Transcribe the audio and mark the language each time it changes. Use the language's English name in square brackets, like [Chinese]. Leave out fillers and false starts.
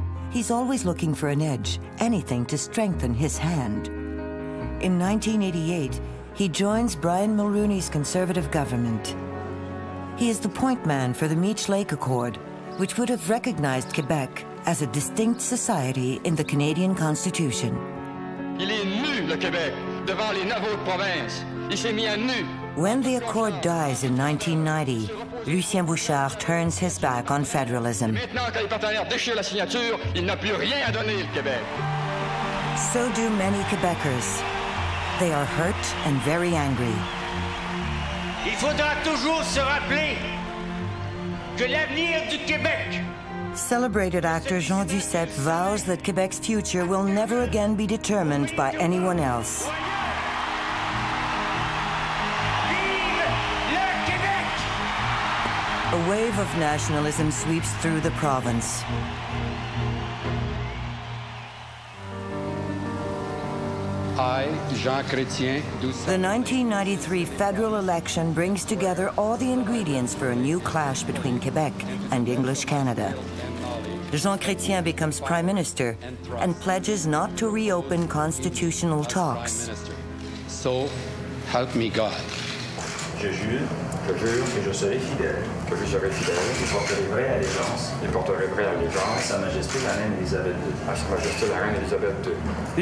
[English] He's always looking for an edge, anything to strengthen his hand. In 1988, he joins Brian Mulroney's conservative government. He is the point man for the Meech Lake Accord, which would have recognized Quebec as a distinct society in the Canadian Constitution. [French] Il est nu, le Québec, devant les neuf autres provinces. Il s'est mis à nu. [English] When the accord dies in 1990, Lucien Bouchard turns his back on federalism. [French] Maintenant que les partenaires déchirent la signature, il n'a plus rien à donner, le Québec. [English] So do many Quebecers. They are hurt and very angry. [French] Il faudra toujours se rappeler que l'avenir du Québec. [English] Celebrated actor Jean Duceppe vows that Quebec's future will never again be determined by anyone else. [French] Vive le Québec! [English] A wave of nationalism sweeps through the province. I, Jean Chrétien Duceppe. The 1993 federal election brings together all the ingredients for a new clash between Quebec and English Canada. Jean Chrétien becomes prime minister and pledges not to reopen constitutional talks. So, help me God. [French] Je jure que je serai fidèle, que je serai fidèle, que je porterai vraie allégeance, et porterai vraie allégeance à Sa Majesté la Reine Elisabeth II. À Sa Majesté la Reine Elisabeth II.